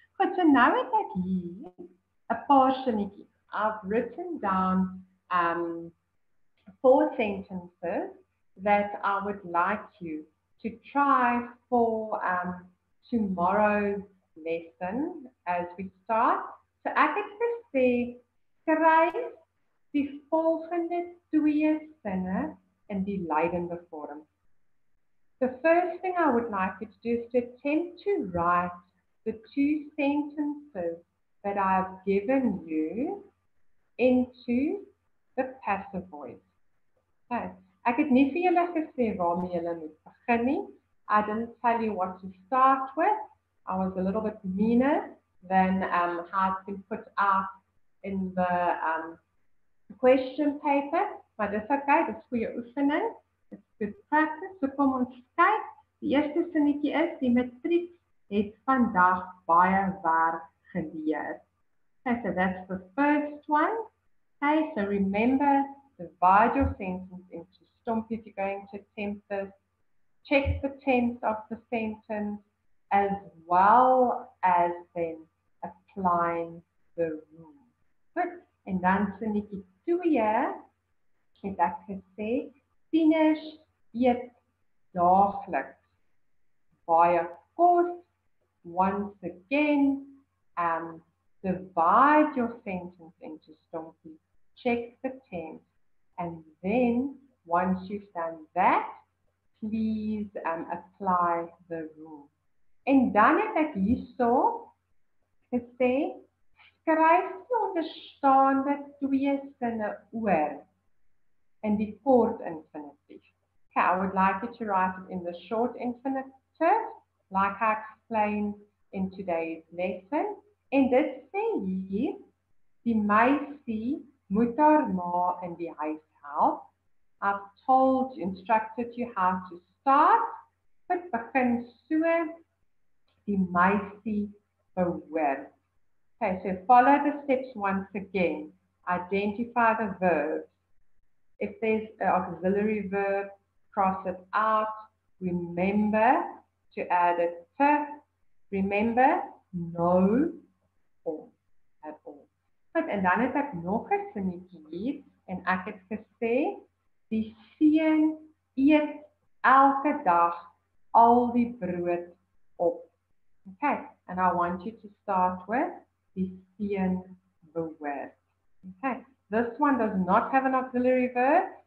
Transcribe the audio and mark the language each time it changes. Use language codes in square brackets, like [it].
[en] But so now it's like a portion. I've written down four sentences that I would like you to try for tomorrow's lesson as we start. [af] So ek het gesê, skryf die volgende twee sinne in die Lydende vorm. [en] The first thing I would like you to do is to attempt to write the two sentences that I've given you into the passive voice. Okay. [af] Ek het nie vir julle gesê waarmee julle moet begin nie. [en] I didn't tell you what to start with. I was a little bit meaner than how it's been put out in the question paper. [af] Maar dis okay, dis goeie oefening. [en] It's good practice. [af] So kom ons kyk. Die eerste sinnetjie is, die matriek het vandag baie werk geleer. [en] Okay, so that's the first one. Okay, so remember, divide your sentence into stumpy if you're going to attempt this. Check the tense of the sentence as well as then applying the rule. Good. And [af] dan sinnetjie 2, het ek gesê, tieners eet daagliks baie kos. [en] Once again, divide your sentence into stumpy. Check the tense. And then, once you've done that, please apply the rule. [af] En dan het ek hierso gesê, skryf die onderstaande twee sinne oor in die kort infinitief. [en] Okay, I would like you to write it in the short infinitive, like I explained in today's lesson. [af] En dit sê hier, die meisie moet haar ma in die huis. [en] I've told, instructed you how to start, but begin so, [af] die meisie behoort. [en] Okay, so follow the steps once again. Identify the verb. If there's an auxiliary verb, cross it out. Remember to add a T. Remember, no or at all. But and [af] dan het ek nog 'n sinnetjie hier. En ek het gesê, die seun eet elke dag al die brood op. [en] Okay, and I want you to start with [af] die seun behoort. [en] Okay, this one does not have an auxiliary verb.